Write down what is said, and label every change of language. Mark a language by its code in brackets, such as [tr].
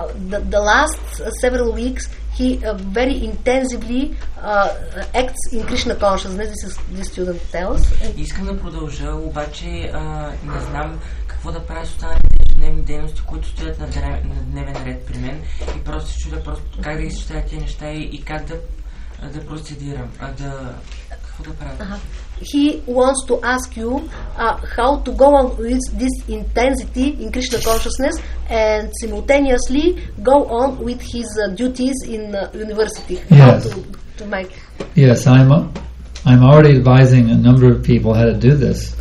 [en] The last several weeks he very intensively acts in Krishna consciousness, this student tells. [bg] Искам да продължа, обаче не знам какво да правя с останалите ежедневни дейности, които стоят на дневен ред при мен и просто се чудя как да изчитая тези неща и как да процедирам, какво [en] He wants to ask you how to go on with this intensity in Krishna consciousness and simultaneously go on with his duties in university. Yes. Yes, I'm already advising a number of people how to do this.